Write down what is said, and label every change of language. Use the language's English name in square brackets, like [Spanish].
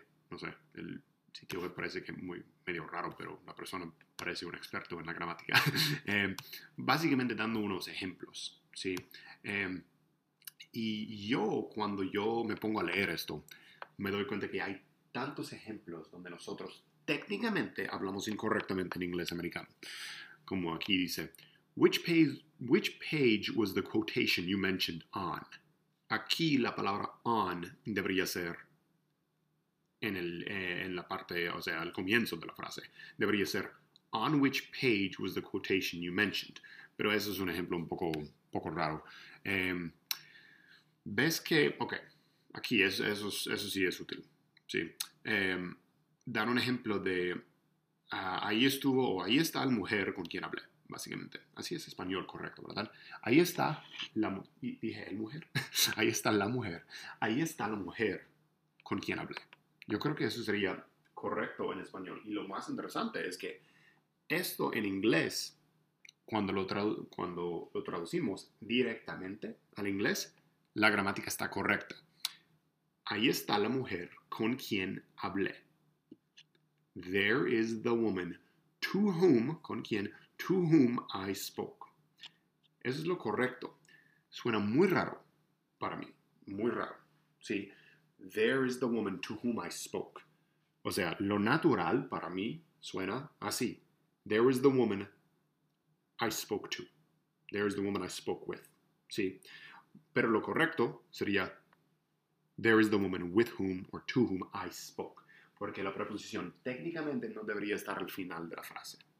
[Spanish] No sé, el sitio web parece que muy medio raro, pero la persona parece un experto en la gramática. básicamente dando unos ejemplos, ¿sí? Y yo, cuando yo me pongo a leer esto, me doy cuenta que hay tantos ejemplos donde nosotros técnicamente hablamos incorrectamente en inglés americano. Como aquí dice, [English] which page was the quotation you mentioned on? [Spanish] Aquí la palabra on debería ser en la parte, o sea, al comienzo de la frase. Debería ser, [English] on which page was the quotation you mentioned? [Spanish] Pero eso es un ejemplo un poco raro. ¿Ves que? Ok, aquí eso sí es útil, ¿sí? Dar un ejemplo de, ahí estuvo o ahí está la mujer con quien hablé, básicamente. Así es español correcto, ¿verdad? Ahí está la mujer, dije, ¿el mujer? Ahí está la mujer. Ahí está la mujer con quien hablé. Yo creo que eso sería correcto en español. Y lo más interesante es que esto en inglés, cuando lo traducimos directamente al inglés, la gramática está correcta. Ahí está la mujer con quien hablé. [English] There is the woman to whom, [Spanish] con quien, [English] to whom I spoke. [Spanish] Eso es lo correcto. Suena muy raro para mí. Muy raro. ¿Sí? [English] There is the woman to whom I spoke. [Spanish] O sea, lo natural para mí suena así. [English] There is the woman I spoke to. There is the woman I spoke with. [Spanish] ¿Sí? Pero lo correcto sería, [English] there is the woman with whom or to whom I spoke. [Spanish] Porque la preposición técnicamente no debería estar al final de la frase.